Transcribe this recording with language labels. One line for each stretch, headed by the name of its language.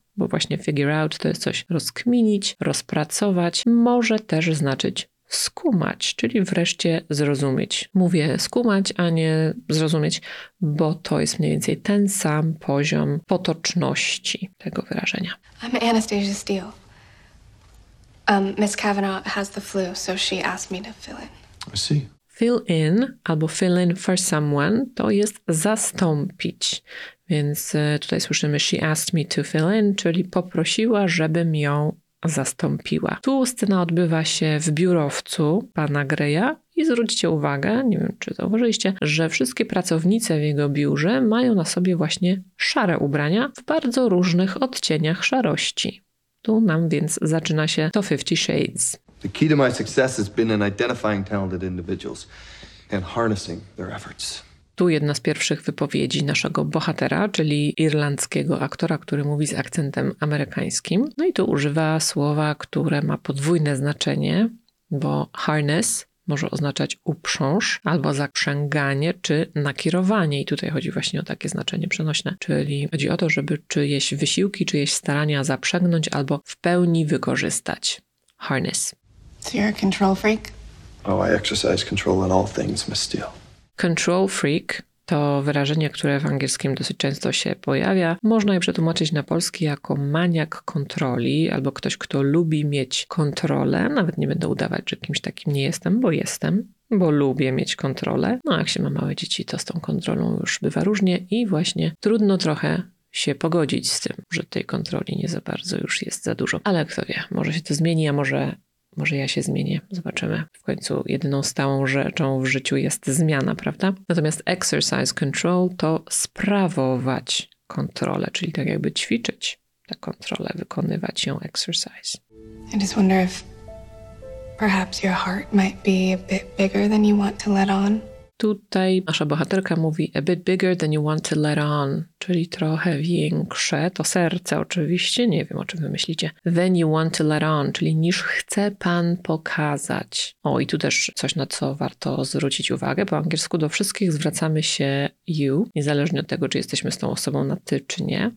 Polish: Bo właśnie
English: figure out
Polish: to jest coś rozkminić, rozpracować, może też znaczyć skumać, czyli wreszcie zrozumieć. Mówię skumać, a nie zrozumieć, bo to jest mniej więcej ten sam poziom potoczności tego wyrażenia.
English: I'm Anastasia Steele. Miss Kavanaugh has the flu, so she asked me to fill in. I see. Fill in
Polish: albo
English: fill in for someone
Polish: to jest zastąpić. Więc tutaj słyszymy
English: she asked me to fill in,
Polish: czyli poprosiła, żebym ją zastąpiła. Tu scena odbywa się w biurowcu pana Greya i zwróćcie uwagę, nie wiem czy zauważyliście, że wszystkie pracownice w jego biurze mają na sobie właśnie szare ubrania w bardzo różnych odcieniach szarości. Tu nam więc zaczyna się to 50 Shades.
English: The key to my success has been in identifying talented individuals and harnessing their efforts.
Polish: Tu jedna z pierwszych wypowiedzi naszego bohatera, czyli irlandzkiego aktora, który mówi z akcentem amerykańskim. No i tu używa słowa, które ma podwójne znaczenie, bo harness może oznaczać uprząż albo zaprzęganie czy nakierowanie. I tutaj chodzi właśnie o takie znaczenie przenośne, czyli chodzi o to, żeby czyjeś wysiłki, czyjeś starania zaprzęgnąć albo w pełni wykorzystać.
English: Harness. So you're a control freak? Oh, I exercise control in all things, Miss Steele. Control freak
Polish: to wyrażenie, które w angielskim dosyć często się pojawia. Można je przetłumaczyć na polski jako maniak kontroli albo ktoś, kto lubi mieć kontrolę. Nawet nie będę udawać, że kimś takim nie jestem, bo jestem, bo lubię mieć kontrolę. No a jak się ma małe dzieci, to z tą kontrolą już bywa różnie i właśnie trudno trochę się pogodzić z tym, że tej kontroli nie za bardzo już jest za dużo. Ale kto wie, może się to zmieni, a może ja się zmienię, zobaczymy. W końcu jedyną stałą rzeczą w życiu jest zmiana, prawda? Natomiast
English: exercise control
Polish: to sprawować kontrolę, czyli tak jakby ćwiczyć tę kontrolę, wykonywać ją exercise.
English: I just wonder if perhaps your heart might be a bit bigger than you want to let on.
Polish: tutaj nasza bohaterka mówi
English: a bit bigger than you want to let on,
Polish: czyli trochę większe, to serce oczywiście, nie wiem o czym wy myślicie,
English: than you want to let on,
Polish: czyli niż chce pan pokazać. O, i tu też coś, na co warto zwrócić uwagę, po angielsku do wszystkich zwracamy się you, niezależnie od tego, czy jesteśmy z tą osobą na ty, czy nie.